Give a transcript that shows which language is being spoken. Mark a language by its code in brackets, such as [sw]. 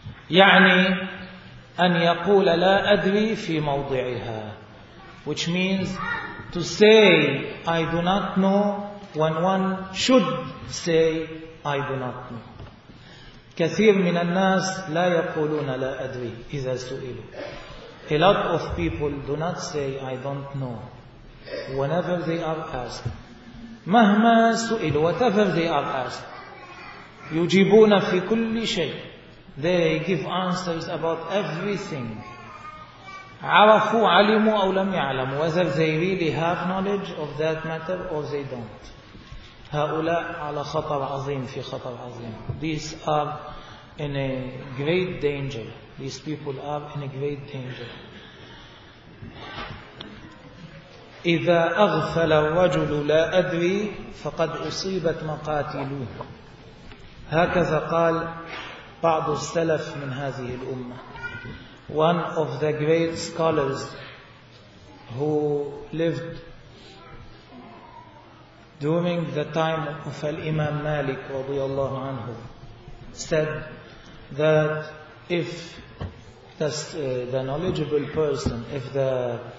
[ar] يعني أن يقول لا أدري في موضعها, [en] which means to say I do not know when one should say I do not know. [ar] كثير من الناس لا يقولون لا أدري إذا سئلوا. [en] A lot of people do not say I don't know whenever they are asked. [ar] مهما سئلوا, [en] whatever they are asked, [ar] يجيبون في كل شيء. [en] They give answers about everything. [ar] عرفوا علموا أو لم يعلموا, [en] whether they really have knowledge of that matter or they don't. [ar] هؤلاء على خطر عظيم في خطر عظيم. [en] These are in a great danger. These people are in a great danger. [ar] إذا أغفل الرجل لا أدري فقد أصيبت مقاتلوه. هكذا قال بعض السلف من هذه الأمة. [en] One of the great scholars who lived during the time of Imam Malik رضي الله عنه said that if the knowledgeable person, if the